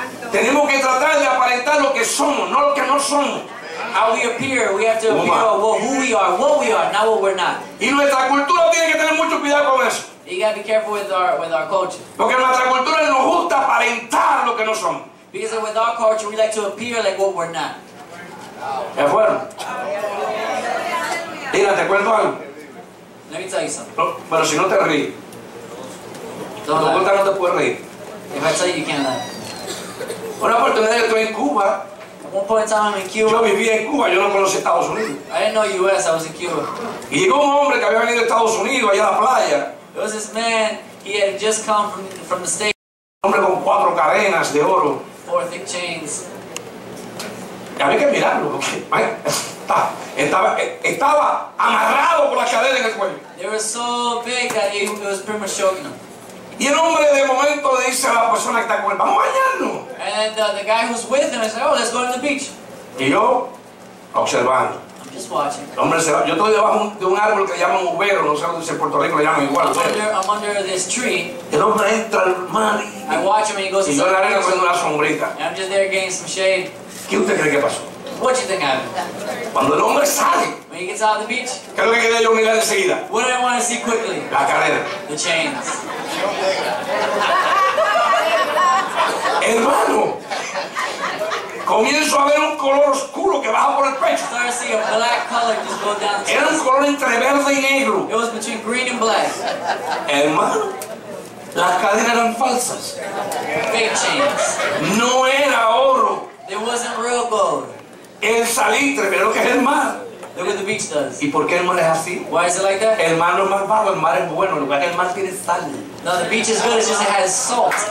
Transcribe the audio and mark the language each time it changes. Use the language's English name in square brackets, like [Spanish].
[Spanish] Tenemos que tratar de aparentar lo que somos, no lo que no somos. [English] How we appear, we have to appear well, who we are, what we are, not what we're not. [Spanish] Y nuestra cultura tiene que tener mucho cuidado con eso. [English] You got to be careful with our culture. [Spanish] Porque nuestra cultura nos gusta aparentar lo que no somos. [English] Because with our culture, we like to appear like what we're not. [Spanish] ¿Es bueno? Mira, te cuento algo. [English] Let me tell you something. [Spanish] Pero si no te ríes. Tu pregunta no te puede reír. [English] If I tell you, you can't laugh. [Spanish] Una oportunidad que tuve en Cuba. [English] One point time I'm in Cuba. [Spanish] Yo vivía en Cuba, yo no conocía Estados Unidos. [English] I didn't know U.S., I was in Cuba. [Spanish] Y llegó un hombre que había venido de Estados Unidos, allá a la playa. [English] There was this man, he had just come from the States. [Spanish] Un hombre con cuatro cadenas de oro. [English] Four thick chains. [Spanish] Y había que mirarlo, porque estaba amarrado por las cadenas en el cuello. [English] They were so big that it was pretty much choking him. [Spanish] Y el hombre de momento le dice a la persona que está con él, vamos a bañarnos. [English] And the guy who's with him, I said, oh, let's go to the beach. [Spanish] Y yo, observando. [English] I'm just watching. [Spanish] El hombre se va. Yo estoy debajo de un árbol que llaman ubero, no sé si en Puerto Rico le llaman igual. [English] I'm under this tree. [Spanish] El hombre entra al mar. [English] I watch him and he goes to the beach. [Spanish] Y yo en la arena con una sombrita. [English] And I'm just there getting some shade. [Spanish] ¿Qué usted cree que pasó? [English] What do you think happened? [Spanish] Cuando el hombre sale. [English] When he gets out of the beach. [Spanish] ¿Qué es lo que quería yo mirar enseguida? [English] What do I want to see quickly? [Spanish] La cadena. [English] The chains. [Spanish] Hermano, comienzo a ver un color oscuro que baja por el pecho. [English] Start to see a black color just go down. [Spanish] Era un color entre verde y negro. [English] It was between green and black. [Spanish] Hermano, las cadenas eran falsas. [English] Fake chains. [Spanish] No era oro. [English] It wasn't real gold. [Spanish] El salitre, mira lo que es el mar. [English] Look what the beach does. [Spanish] ¿Y por qué el mar es así? [English] Why is it like that? [Spanish] El mar no es más malo, el mar es bueno. Lo que el mar tiene sal. [English] No, the beach is good, it's just it has salt.